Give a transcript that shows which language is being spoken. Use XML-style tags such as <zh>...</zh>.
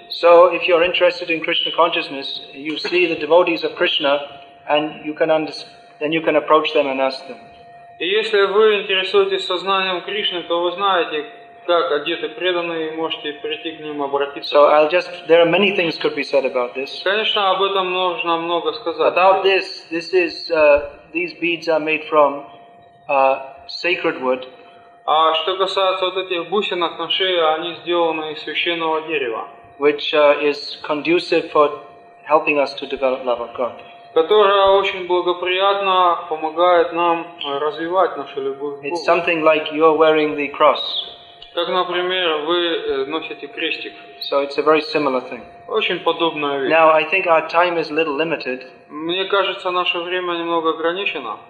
<en>So if you're interested in Krishna consciousness, you see the devotees of Krishna, and you can then you can approach them and ask them.</en> <ru>И если вы интересуетесь сознанием Кришны, то вы знаете, как одеты преданные, и можете прийти к ним обратиться.</ru> <en>So I'll just, there are many things could be said about this.</en> <ru>Конечно, об этом нужно много сказать.</ru> <en>About this, this is, these beads are made from sacred wood.</en> <ru>А что касается вот этих бусинок на шее, они сделаны из священного дерева.</ru> <en>Which is conducive for helping us to develop love of God.</en> <ru>которая очень благоприятно помогает нам развивать нашу любовь к Богу.</ru> <en>It's something like you're wearing the cross.</en> <ru>Как, например, вы носите крестик.</ru> <en>So it's a very similar thing.</en> <ru>Очень подобная вещь.</ru> <en>Now, I think our time is a little limited.</en> <ru>Мне кажется, наше время немного ограничено.</ru>